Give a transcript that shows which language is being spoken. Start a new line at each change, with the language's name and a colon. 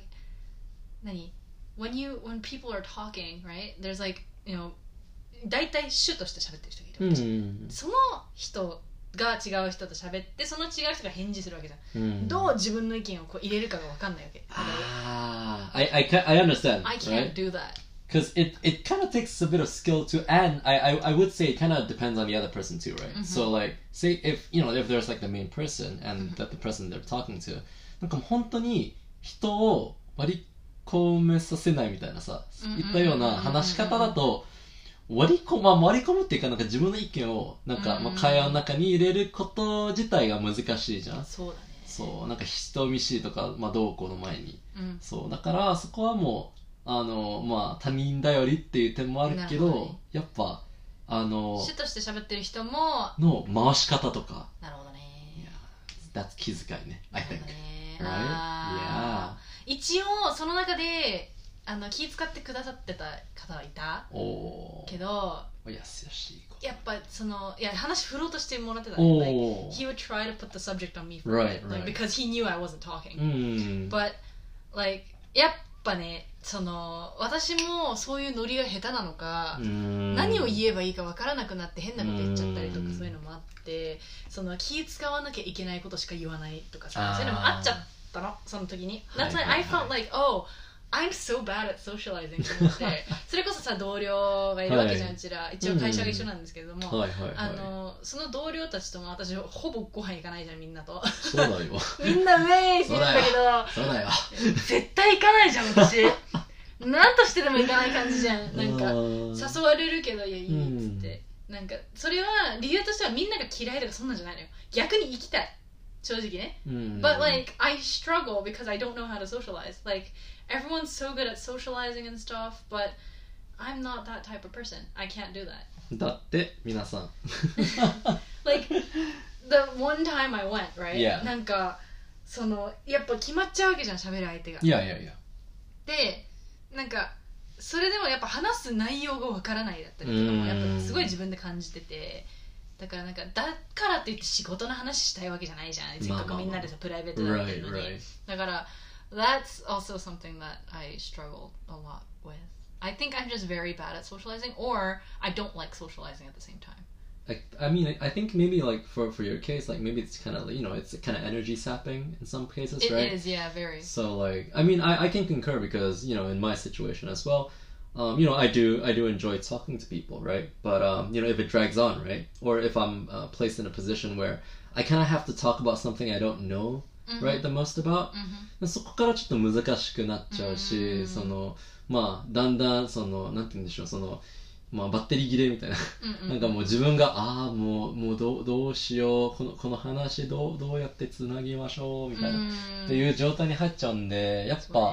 English: like 何 when people are talking, right? There's like, you know,
Japanese: 大体主として喋ってる人がいるわけじゃん、うん、その人が違う人と喋ってその違う人が返事するわけじゃん、うん、どう自分の意見をこう入れるかが分かんないわけ。
English: ああ、I understand. I can't、 do that. Because it kind of takes a bit of skill too, and I would say it kind of depends on the other person too, right? Mm-hmm. So like, say if, you know, if there's like the main person and mm-hmm. that the person they're talking to,
Japanese: なんか本当に人を割り込めさせないみたいなさ、 mm-hmm. 言ったような話し方だと、割り込むっていうか、なんか自分の意見をなんか、mm-hmm. まあ会話の中に入れること自体が難しいじゃん。そうだね。そう、なんか人見知りとか、まあどうこうの前に。 Mm-hmm. そう、だからそこはもう、あのまあ他人頼りっていう点もあるけど、はい、やっぱあの主として喋ってる人もの回し方とか、なるほどね、
English: yeah. That's
Japanese: 気遣いね、
English: I think、
Japanese: なるほどね、
English: right?
Japanese: あ、yeah. 一応その中であの気遣ってくださってた方はいたおけど、おやすやしい。やっぱそのいや話振ろうとしてもらってた、ね oh.
English: like, He would try to put the subject on me for right, it, like, right. because he knew I wasn't talking、 mm. but like
Japanese: やっぱねその私もそういうノリが下手なのか、mm. 何を言えばいいか分からなくなって変なこと言っちゃったりとか、mm. そういうのもあってその気使わなきゃいけないことしか言わないとかさ、そういうのもあっちゃったのその時に、はい、
English: That's why I felt like ohI'm so bad at socializing
Japanese: それこそさ同僚がいるわけじゃん、はい、ちら一応会社が一緒なんですけれどもその同僚たちとも私ほぼご飯行かないじゃんみんなとそうだよみんなウェイって言ったけどそうだよ絶対行かないじゃん私なんとしてでも行かない感じじゃんなんか誘われるけどいやいいっつって、うん、なんかそれは理由としてはみんなが嫌いとかそんなんじゃないのよ逆に行きたい正直ね、うん、
English: But like I struggle because I don't know how to socialize likeEveryone's so good at socializing and stuff, but I'm not that type of person. I can't do that.
Japanese: だって、皆さん。
English: Like, the one time I went, right? Yeah.
Japanese: なんか、その、やっぱ決まっちゃうわけじゃん、喋る相手が。いやいやいや。で、なんか、それでもやっぱ話す内容がわからないだったりとかも、やっぱすごい自分で感じてて。だからなんか、だからといって仕事の話したいわけじゃないじゃん。せっかくみんなでさ、プライベートだったのに。
English: Right, right.
Japanese: だから、
English: That's also something that I struggle a lot with. I think I'm just very bad at socializing, or I don't like socializing at the same time. I mean, I think maybe like for your case, like maybe it's kind of, you know, it's kind of energy sapping in some cases, it right? It is, yeah, very. So like, I mean, I can concur because, you know, in my situation as well, you know, I do enjoy talking to people, right? But, you know, if it drags on, right? Or if I'm placed in a position where I kind of have to talk about something I don't know Mm-hmm. Right, the most about、 mm-hmm.
Japanese: そこからちょっと難しくなっちゃうし、mm-hmm. そのまあだんだんそのなんて言うんでしょうその、まあ、バッテリー切れみたいな、 mm-hmm. なんかもう自分がああもう どうしようこの話どうやってつなぎましょうみたいな、 mm-hmm. っていう状態に入っちゃうんでやっぱ、